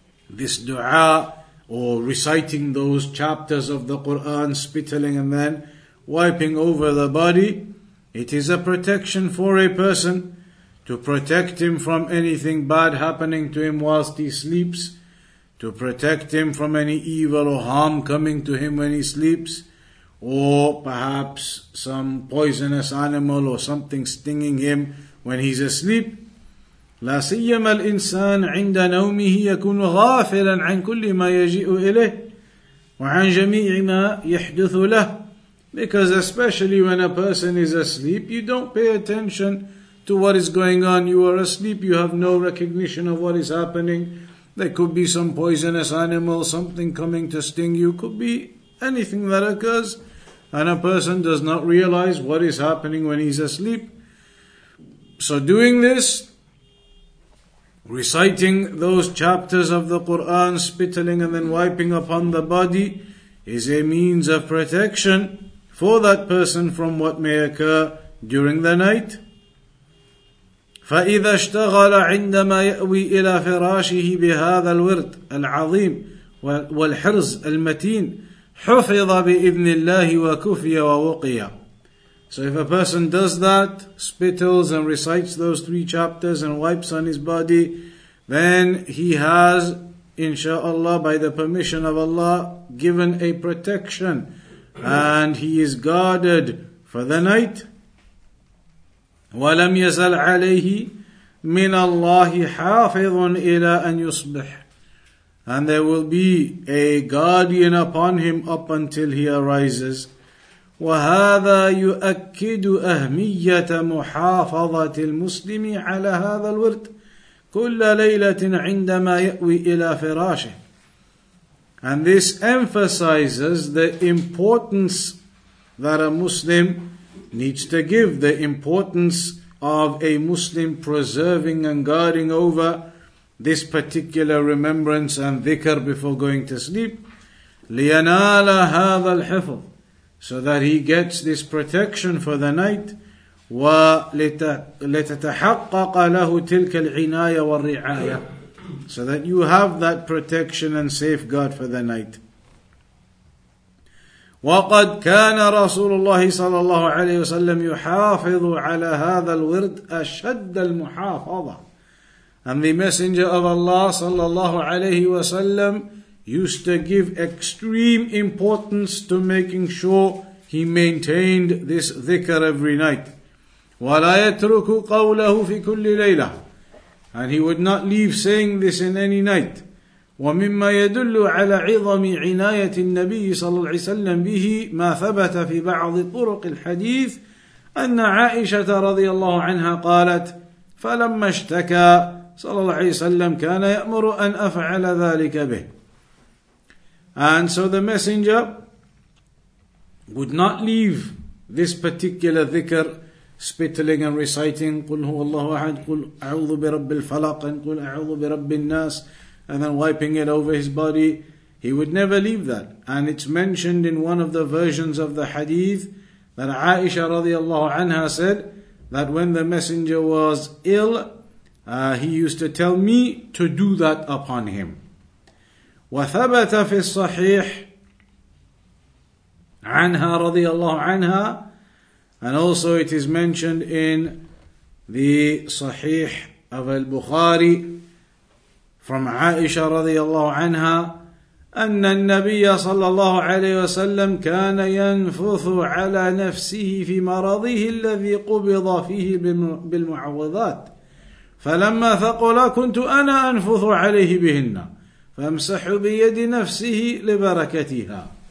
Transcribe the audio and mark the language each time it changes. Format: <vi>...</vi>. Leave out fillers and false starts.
<en>This dua, or reciting those chapters of the Quran, spittling and then wiping over the body, it is a protection for a person, to protect him from anything bad happening to him whilst he sleeps, to protect him from any evil or harm coming to him when he sleeps, or perhaps some poisonous animal or something stinging him when he's asleep.</en> <ar>لا سيما الإنسان عند نومه يكون غافلا عن كل ما يجيء إليه وعن جميع ما يحدث له.</ar> <en>Because especially when a person is asleep, you don't pay attention to what is going on. You are asleep, you have no recognition of what is happening. There could be some poisonous animal, something coming to sting you, could be anything that occurs, and a person does not realize what is happening when he's asleep. So doing this, reciting those chapters of the Quran, spittling and then wiping upon the body, is a means of protection for that person from what may occur during the night.</en> <ar>فإذا اشتغل عندما يأوي إلى فراشه بهذا الورد العظيم والحرز المتين حفظ بإذن الله وكفي ووقيا.</ar> <en>So if a person does that, spittles and recites those three chapters and wipes on his body, then he has, inshallah, by the permission of Allah, given a protection and he is guarded for the night.</en> <ar>وَلَمْ يَزَلْ عَلَيْهِ مِنَ اللَّهِ حَافِظٌ إِلَىٰ أَنْ يُصْبِحْ.</ar> <en>And there will be a guardian upon him up until he arises.</en> <ar>وهذا يؤكد أهمية محافظة المسلم على هذا الورد كل ليلة عندما يأوي إلى فراشه.</ar> <en>And this emphasizes the importance that a Muslim needs to give, the importance of a Muslim preserving and guarding over this particular remembrance and dhikr before going to sleep.</en> <ar>لينال هذا الحفظ,</ar> <en>so that he gets this protection for the night.</en> <ar>ولتتحقق له تلك العناية والرعاية,</ar> <en>so that you have that protection and safeguard for the night.</en> <ar>وقد كان رسول الله صلى الله عليه وسلم يحافظ على هذا الورد أشد المحافظة.</ar> <en>And the Messenger of Allah</en> <ar>صلى الله عليه وسلم</ar> <en>used to give extreme importance to making sure he maintained this dhikr every night.</en> <ar>ولا يترك قوله في كل ليلة.</ar> <en>And he would not leave saying this in any night.</en> <ar>ومما يدل على عظم عناية النبي صلى الله عليه وسلم به ما ثبت في بعض طرق الحديث أن عائشة رضي الله عنها قالت فلما اشتكى صلى الله عليه وسلم كان يأمر أن أفعل ذلك به.</ar> <en>And so the messenger would not leave this particular dhikr, spittling and reciting</en> <ar>قل هو الله أحد قل أعوذ برب الفلق</ar> <en>and</en> <ar>قل أعوذ برب الناس,</ar> <en>and then wiping it over his body. He would never leave that. And it's mentioned in one of the versions of the hadith that Aisha</en> <ar>radiallahu anha</ar> <en>said that when the messenger was ill, he used to tell me to do that upon him.</en> <ar>وثبت في الصحيح عنها رضي الله عنها,</ar> <en>and also it is mentioned in the Sahih of al-Bukhari from</en> <ar>Aisha رضي الله عنها أن النبي صلى الله عليه وسلم كان ينفث على نفسه في مرضه الذي قبض فيه بالمعوذات فلما ثقل كنت أنا أنفث عليه بهن فامسح بيد نفسه لبركتها.</ar>